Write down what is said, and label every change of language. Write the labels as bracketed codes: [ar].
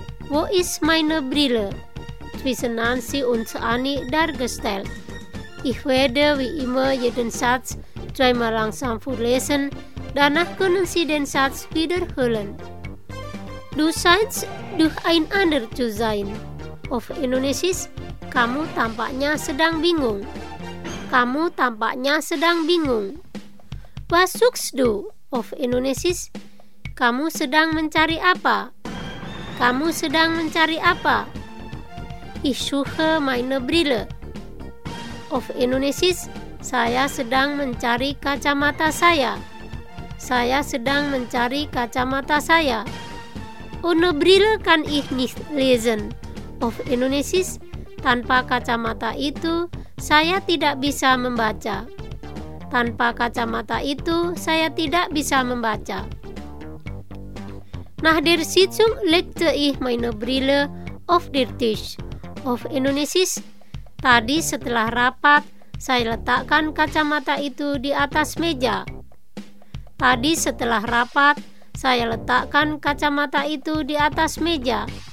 [de] Wo ist meine Brille? Zwischen Nancy und Annie dargestellt. Ich werde wie immer jeden Satz zweimal langsam vorlesen, danach können Sie den Satz wiederholen. Du scheinst durch ein ander zu sein. Auf Indonesisch, [id] kamu tampaknya sedang bingung. Kamu tampaknya sedang bingung. [de] Was suchst du? Of Indonesisch, [id] kamu sedang mencari apa? Kamu sedang mencari apa? [de] Ich suche meine Brille. Of Indonesisch, [id] saya sedang mencari kacamata saya. Saya sedang mencari kacamata saya. [de] Ohne Brille kann ich nicht lesen. Of Indonesisch, [id] tanpa kacamata itu saya tidak bisa membaca. Tanpa kacamata itu, saya tidak bisa membaca. [de] Nach der Sitzung legte ich meine Brille auf den Tisch. Auf Indonesisch, [id] tadi setelah rapat, saya letakkan kacamata itu di atas meja. Tadi setelah rapat, saya letakkan kacamata itu di atas meja.